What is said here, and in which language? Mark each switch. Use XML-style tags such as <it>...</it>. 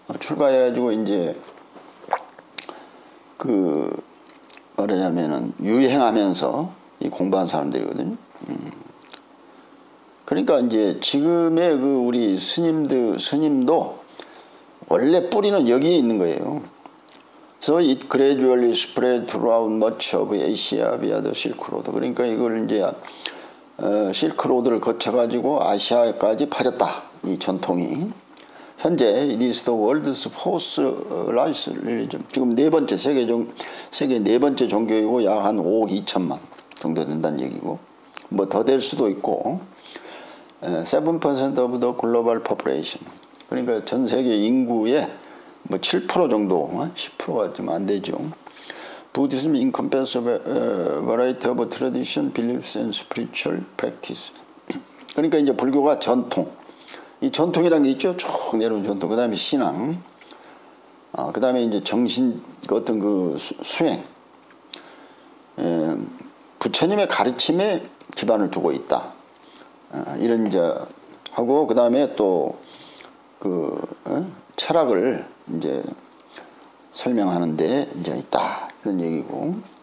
<ko>출가해 가지고 이제 그 말하자면은 유행하면서 이 공부한 사람들이거든요. 그러니까 이제 지금의 그 우리 스님도 원래 뿌리는 여기에 있는 거예요.</ko> <en>So it gradually spread throughout much of Asia via the Silk Road.</en> <ko>그러니까 이걸 이제 Silk Road를 거쳐가지고 아시아까지 퍼졌다. 이 전통이 현재</ko> <en>it is the world's fourth largest religion.</en> <ko>지금 네 번째 세계 네 번째 종교이고 약 한 5억 2천만 정도 된다는 얘기고 뭐 더 될 수도 있고</ko> <en>7% of the global population.</en> <ko>그러니까 전 세계 인구의 뭐 7% 정도, 10%가 좀 안 되죠.</ko> <en>Buddhism incompensable variety of tradition, beliefs and spiritual practice.</en> <ko>그러니까 이제 불교가 전통. 이 전통이라는 게 있죠. 쭉 내려온 전통. 그 다음에 신앙. 그 다음에 이제 정신, 어떤 그 수행. 부처님의 가르침에 기반을 두고 있다. 이런 이제 하고, 그 다음에 또, 그 철학을 이제 설명하는데 이제 있다 이런 얘기고</ko>